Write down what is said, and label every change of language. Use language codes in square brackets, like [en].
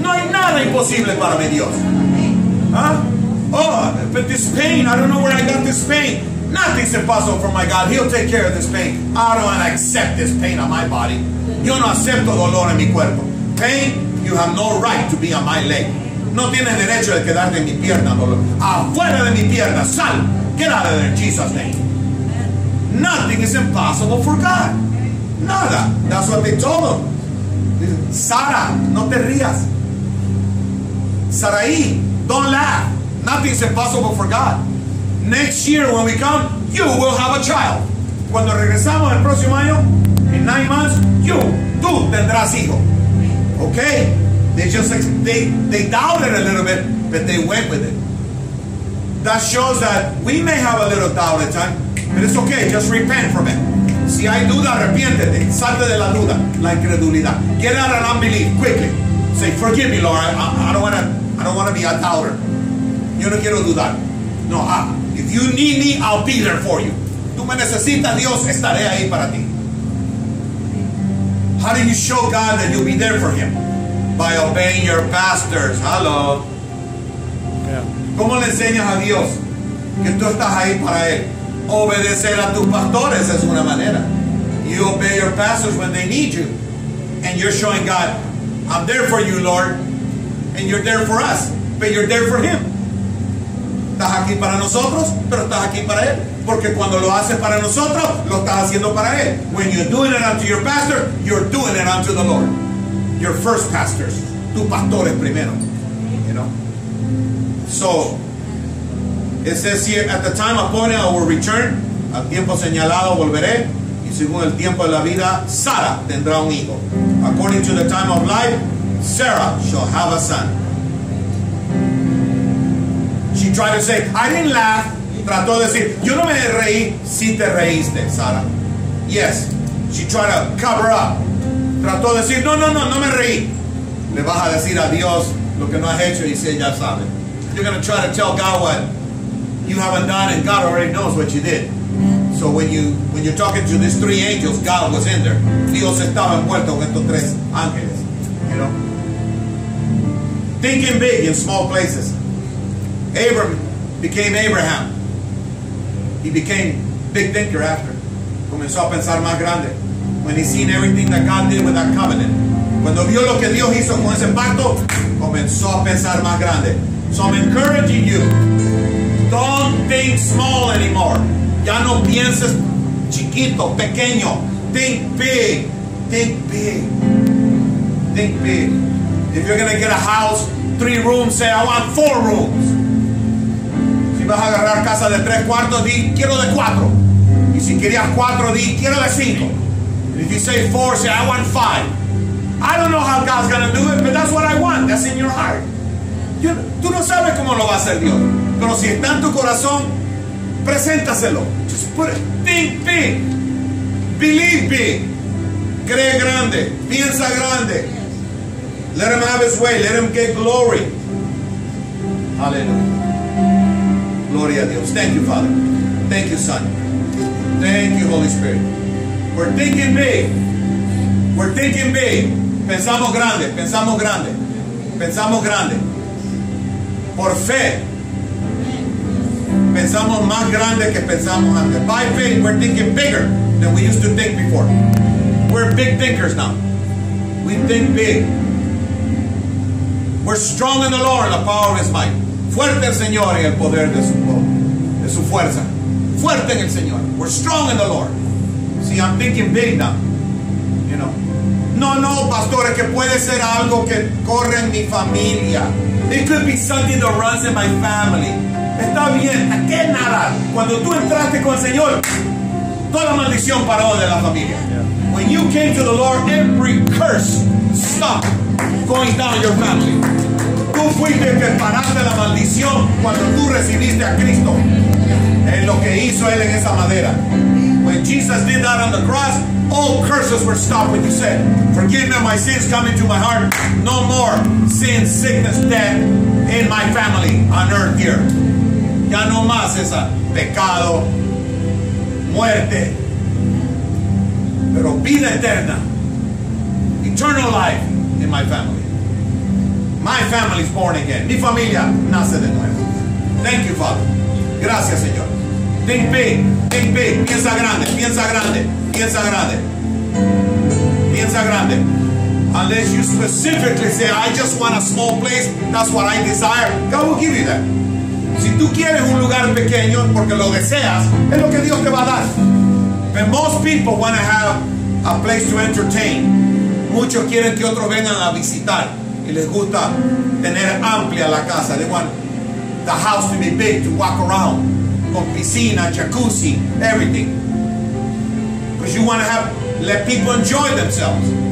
[es] No hay nada imposible para mi Dios. Huh? [en] Oh, but this pain, I don't know where I got this pain. Nothing's impossible for my God. He'll take care of this pain. I don't want to accept this pain on my body. [es] Yo no acepto dolor en mi cuerpo. [en] Pain, you have no right to be on my leg. [es] No tienes derecho de quedarte en mi pierna, dolor. Afuera de mi pierna, sal. [en] Get out of there in Jesus' name. Nothing is impossible for God. Nada. That's what they told him. [es] Sara, no te rías. [en] Sarai, don't laugh. Nothing is impossible for God. Next year when we come, you will have a child. [es] Cuando regresamos el próximo año, [en] in 9 months, [es] tú tendrás hijo. [en] Okay? They doubted a little bit, but they went with it. That shows that we may have a little doubt at times, but it's okay, just repent from it. [es] Si hay duda, arrepiéntete. Salte de la duda, la incredulidad. [en] Get out of unbelief, quickly. Say, forgive me, Lord, I don't want to be a doubter. [es] Yo no quiero dudar. [en] No, if you need me, I'll be there for you. [es] Tú me necesitas, Dios, estaré ahí para ti. [en] How do you show God that you'll be there for him? By obeying your pastors. Hello. Yeah. [es] ¿Cómo le enseñas a Dios que tú estás ahí para él? Obedecer a tus pastores es una manera. [en] You obey your pastors when they need you. And you're showing God, I'm there for you, Lord. And you're there for us. But you're there for him. [es] Estás aquí para nosotros, pero estás aquí para él. Porque cuando lo haces para nosotros, lo estás haciendo para él. [en] When you're doing it unto your pastor, you're doing it unto the Lord. Your first pastors. [es] Tu pastor es primero. [en] You know? So, it says here, at the time appointed I will return. [es] Al tiempo señalado volveré. Y según el tiempo de la vida, Sara tendrá un hijo. [en] According to the time of life, Sarah shall have a son. She tried to say, I didn't laugh. [es] Trató de decir, yo no me reí. Sí te reíste, Sara. [en] Yes. She tried to cover up. [es] Trató de decir, no me reí. Le vas a decir a Dios lo que no has hecho y dice, ya sabe. [en] You're going to try to tell God what you haven't done and God already knows what you did. So when you're talking to these three angels, God was in there. [es] Dios estaba envuelto con estos tres ángeles. [en] You know? Thinking big in small places. Abram became Abraham. He became big thinker after. [es] Comenzó a pensar más grande. [en] When he seen everything that God did with that covenant. [es] Cuando vio lo que Dios hizo con ese pacto, comenzó a pensar más grande. [en] So I'm encouraging you. Don't think small anymore. [es] Ya no pienses chiquito, pequeño. [en] Think big. Think big. Think big. If you're going to get a house, 3 rooms, say, I want 4 rooms. [es] Si vas a agarrar casa de 3 cuartos, di, quiero de 4. Y si querías 4, di, quiero de 5. [en] If you say 4, say, I want 5. I don't know how God's going to do it, but that's what I want. That's in your heart. [es] Tú no sabes cómo lo va a hacer Dios. Pero si está en tu corazón, preséntaselo. [en] Just put it. Think big. Believe big. [es] Cree grande. Piensa grande. [en] Let him have his way. Let him get glory. Hallelujah. [es] Gloria a Dios. [en] Thank you, Father. Thank you, Son. Thank you, Holy Spirit. We're thinking big. We're thinking big. [es] Pensamos grande. Pensamos grande. Pensamos grande. Por fe. Pensamos más grande que pensamos antes. [en] By faith, we're thinking bigger than we used to think before. We're big thinkers now. We think big. We're strong in the Lord, the power of His might. [es] Fuerte el Señor y el poder de su fuerza. Fuerte en el Señor. [en] We're strong in the Lord. See, I'm thinking big now. You know. [es] No, pastores, que puede ser algo que corre en mi familia. [en] It could be something that runs in my family. [es] Está bien, ¿a qué nada? Cuando tú entraste con el Señor, toda maldición paró de la familia. [en] Yeah. When you came to the Lord, every curse stopped going down your family. [es] Tú fuiste el que paraste la maldición cuando tú recibiste a Cristo. En lo que hizo Él en esa madera. [en] When Jesus did that on the cross, all curses were stopped when you said, forgive me of my sins coming to my heart. No more sin, sickness, death in my family on earth here. [es] Ya no más esa pecado, muerte, pero vida eterna. [en] Eternal life in my family. My family is born again. [es] Mi familia nace de nuevo. [en] Thank you, Father. [es] Gracias, Señor. [en] Think big. Think big. [es] Piensa grande. Piensa grande. Piensa grande. Piensa grande. [en] Unless you specifically say, I just want a small place. That's what I desire. God will give you that. [es] Si tú quieres un lugar pequeño porque lo deseas, es lo que Dios te va a dar. [en] But most people want to have a place to entertain. [es] Muchos quieren que otros vengan a visitar. Y les gusta tener amplia la casa. [en] They want the house to be big, to walk around. [es] Con piscina, jacuzzi, [en] everything. Because you want to have, let people enjoy themselves.